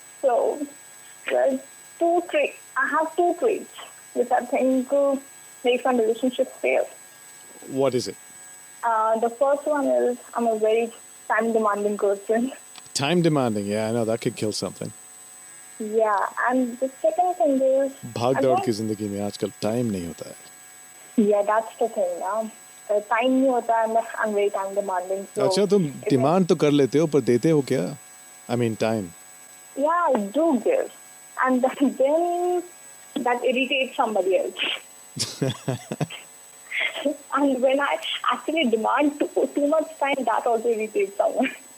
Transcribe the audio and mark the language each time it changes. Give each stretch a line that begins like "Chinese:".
English: So, well, I have two traits which I think make my relationship fail. What is it? The first one is I'm a very time-demanding person. Time-demanding, yeah, I know, that could kill something. Yeah, and the second thing is...
Hindi: भाग-दौड़ की ज़िंदगी में आजकल time नहीं होता है.
English: Yeah, that's the thing, yeah.
Hindi: Time nahi hota hai,
English: I'm very time-demanding. So
Hindi: अच्छा, तुम डिमांड तो कर लेते हो, पर देते हो क्या?
English: I mean, time. Yeah, I do give. And then that irritates somebody else. And when I actually demand too much time, that also irritates someone.